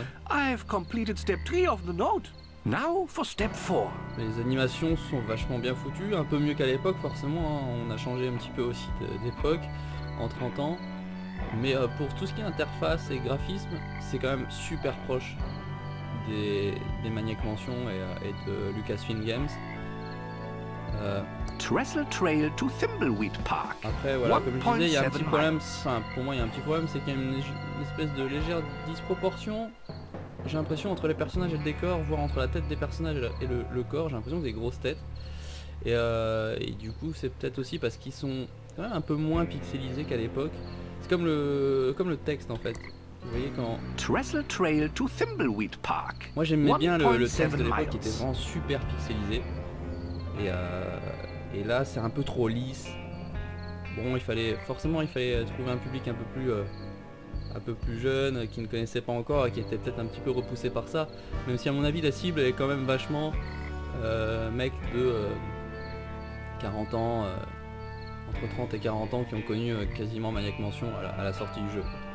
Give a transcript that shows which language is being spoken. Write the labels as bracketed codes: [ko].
[en] I've completed step 3 of the note. Now for step 4. [fr] Les animations sont vachement bien foutues, un peu mieux qu'à l'époque forcément, hein. On a changé un petit peu aussi d'époque en 30 ans. Mais pour tout ce qui est interface et graphisme, c'est quand même super proche des Maniac Mansion et de Lucasfilm Games. [en] Trestle Trail to Thimbleweed Park. [fr] Après voilà, comme je disais, il y a un petit problème, enfin, pour moi il y a un petit problème, c'est qu'il y a une espèce de légère disproportion. J'ai l'impression entre les personnages et le décor, voire entre la tête des personnages et le corps, j'ai l'impression que c'est des grosses têtes. Et du coup c'est peut-être aussi parce qu'ils sont quand même un peu moins pixelisés qu'à l'époque. C'est comme le texte en fait. Vous voyez quand... [en] Trestle Trail to Thimbleweed Park. [fr] Moi j'aimais bien le texte de l'époque qui était vraiment super pixelisé. Et là c'est un peu trop lisse. Bon il fallait trouver un public un peu plus jeune, qui ne connaissait pas encore et qui était peut-être un petit peu repoussé par ça, même si à mon avis la cible est quand même vachement mec de 40 ans, entre 30 et 40 ans, qui ont connu quasiment Maniac Mansion à la sortie du jeu.